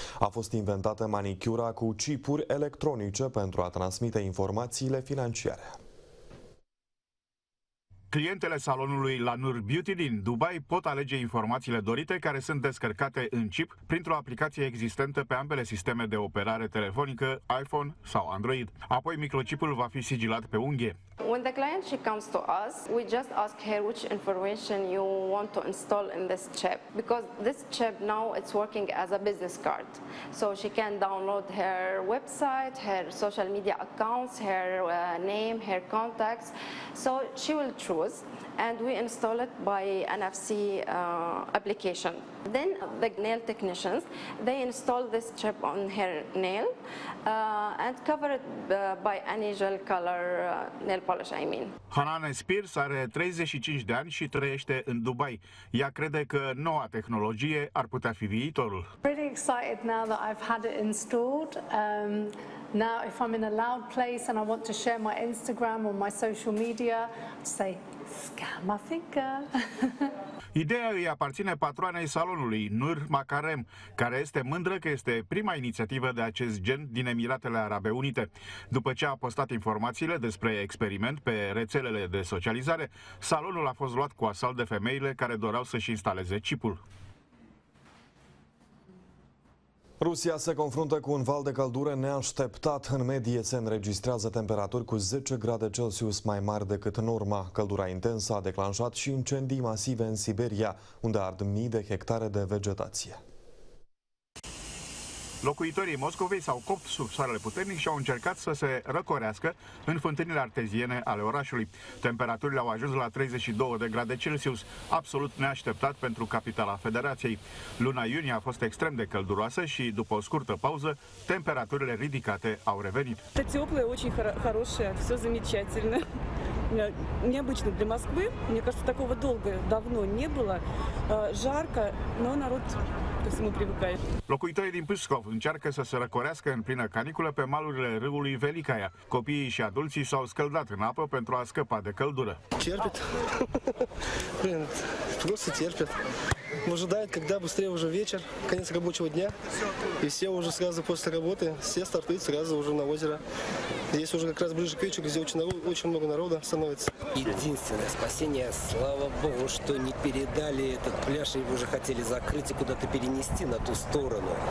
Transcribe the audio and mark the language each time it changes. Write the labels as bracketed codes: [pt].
[ro] A fost inventată manicura cu chipuri electronice pentru a transmite informațiile financiare. Clientele salonului Lanur Beauty din Dubai pot alege informațiile dorite care sunt descărcate în chip printr-o aplicație existentă pe ambele sisteme de operare telefonică, iPhone sau Android. Apoi microchipul va fi sigilat pe unghie. [en] When the client she comes to us, we just ask her which information you want to install in this chip, because this chip now it's working as a business card. So she can download her website, her social media accounts, her name, her contacts. So she will choose and we install it by NFC application. Then the nail technicians, they install this chip on her nail and cover it by any gel color nail polish, I mean. [ro] Hanane Spears are 35 de ani și trăiește în Dubai. Ea crede că noua tehnologie ar putea fi viitorul. [en] Pretty excited now that I've had it installed. Now if I'm in a loud place and I want to share my Instagram or my social media, say, scan my finger. [ro] Ideea îi aparține patroanei salonului, Nur Makarem, care este mândră că este prima inițiativă de acest gen din Emiratele Arabe Unite. După ce a postat informațiile despre experiment pe rețelele de socializare, salonul a fost luat cu asalt de femeile care doreau să-și instaleze chipul. Rusia se confruntă cu un val de căldură neașteptat. În medie se înregistrează temperaturi cu 10 grade Celsius mai mari decât norma. Căldura intensă a declanșat și incendii masive în Siberia, unde ard mii de hectare de vegetație. Locuitorii Moscovei s-au copt sub soarele puternic și au încercat să se răcorească în fântânile arteziene ale orașului. Temperaturile au ajuns la 32 de grade Celsius, absolut neașteptat pentru capitala Federației. Luna iunie a fost extrem de călduroasă și, după o scurtă pauză, temperaturile ridicate au revenit. Este teplă, foarte frumoasă, totul замечательно. [ru] Необычно для Москвы. Мне кажется, такого долго давно не было. Жарко, но народ к этому привыкает. [ro] Locuitorii din Pâscov încearcă să se răcorească în plină caniculă pe malurile râului Velicaia. Copiii și adulții s-au scăldat în apă pentru a scăpa de căldură. Cerpet. [ru] Просто терпят. Ожидают, когда быстрее уже вечер, конец рабочего дня. И все уже сразу после работы, все стартуют сразу уже на озеро. Здесь уже как раз ближе к вечеру, где очень много народа становится. Единственное спасение, слава богу, что не передали этот пляж, его уже хотели закрыть и куда-то перенести на ту сторону.